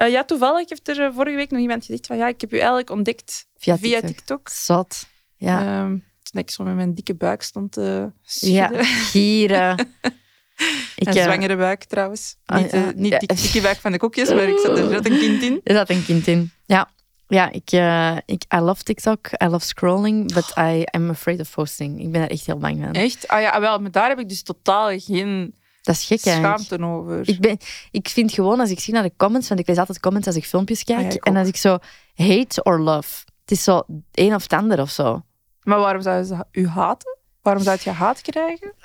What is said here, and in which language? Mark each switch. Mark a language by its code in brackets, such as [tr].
[nl] Toevallig heeft er vorige week nog iemand gezegd van ik heb u eigenlijk ontdekt via TikTok. Zot, ja. Toen ik zo met mijn dikke buik stond te schudden. Ja, gieren. een zwangere buik trouwens. Niet dikke buik van de koekjes, maar ik zat er een kind in. Er zat een kind in, ja. [en] Ja, I love TikTok, I love scrolling, but I am afraid of posting. [nl] Ik ben daar echt heel bang van. Echt? Ah ja, wel, maar daar heb ik dus totaal geen dat is gek, schaamte eigenlijk. Over. Ik vind gewoon, als ik zie naar de comments, want ik lees altijd comments als ik filmpjes kijk, en als ik zo [en] hate or love, [nl] het is zo een of het ander of zo. Maar waarom zouden ze u haten? Waarom zou je haat krijgen?